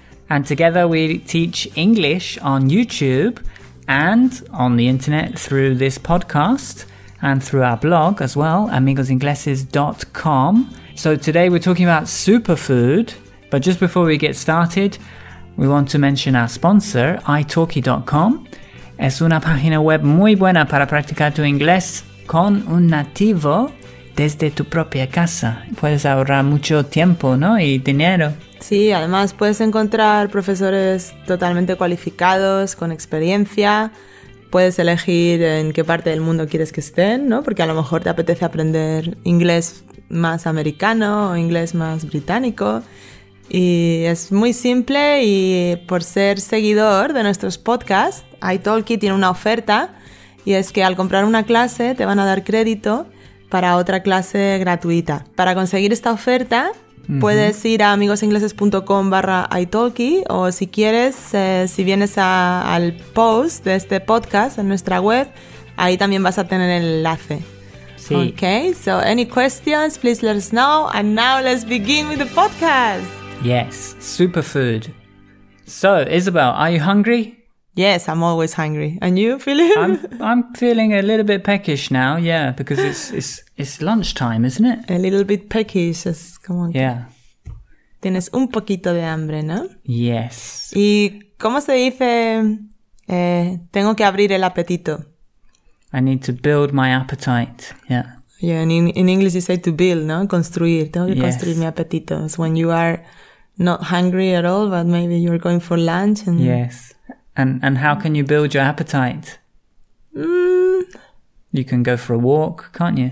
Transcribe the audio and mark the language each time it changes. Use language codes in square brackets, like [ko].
[en] And together we teach English on YouTube and on the internet through this podcast and through our blog as well, amigosingleses.com. So today we're talking about superfood, but just before we get started, we want to mention our sponsor, italki.com. [es] Es una página web muy buena para practicar tu inglés con un nativo desde tu propia casa. Puedes ahorrar mucho tiempo, ¿no? Y dinero. Sí, además puedes encontrar profesores totalmente cualificados, con experiencia. Puedes elegir en qué parte del mundo quieres que estén, ¿no? Porque a lo mejor te apetece aprender inglés más americano o inglés más británico. Y es muy simple y por ser seguidor de nuestros podcasts, italki tiene una oferta y es que al comprar una clase te van a dar crédito para otra clase gratuita. Para conseguir esta oferta puedes ir a amigosingleses.com/italki o si quieres, si vienes al post de este podcast en nuestra web, ahí también vas a tener el enlace. Sí. [en] Okay, so any questions, please let us know and now let's begin with the podcast. Yes, superfood. So, Isabel, are you hungry? Yes, I'm always hungry. And you, Philip? I'm feeling a little bit peckish now, yeah, because it's lunchtime, isn't it? A little bit peckish, [es] es como que... [en] Yeah. [es] Tienes un poquito de hambre, ¿no? [en] Yes. [es] ¿Y cómo se dice, tengo que abrir el apetito? [en] I need to build my appetite, yeah. Yeah, and in English you say to build, no? [es] Construir, tengo que construir mi apetito. [en] It's when you are not hungry at all, but maybe you're going for lunch. And yes, and how can you build your appetite? You can go for a walk, can't you?